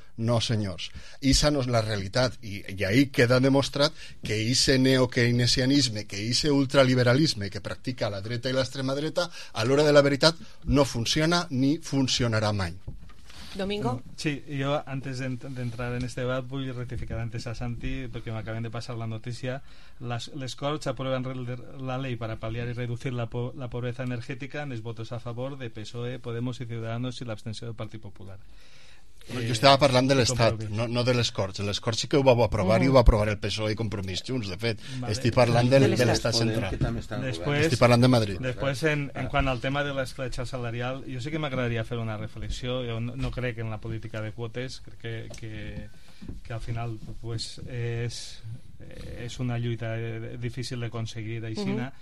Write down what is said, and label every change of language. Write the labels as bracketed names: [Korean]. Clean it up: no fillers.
[Catalan] No, senyors, ixa no és la realitat, i ahí queda demostrat que ixe neokeynesianisme, que ixe ultraliberalisme que practica la dreta i l'extrema dreta, a l'hora de la veritat no funciona ni funcionarà mai. Domingo? Sí, jo antes d'entrar en este debat vull rectificar antes a Santi, perquè m'acaben de passar la notícia. Les Corts aproven [Spanish] la ley para paliar y reducir la pobreza energética en los votos a favor de PSOE, Podemos y Ciudadanos y la abstención del Partit Popular. [Catalan] Jo estava parlant de l'Estat, no de les Corts. Les Corts sí que ho va aprovar i ho va aprovar el PSOE i Compromís Junts, de fet. Vale. Estic parlant de l'Estat central. Estic parlant de Madrid. Després, en quant al tema de l'escletxa salarial, jo sí que m'agradaria fer una reflexió. Jo no crec en la política de quotes. Crec que al final és una lluita difícil d'aconseguir aixina.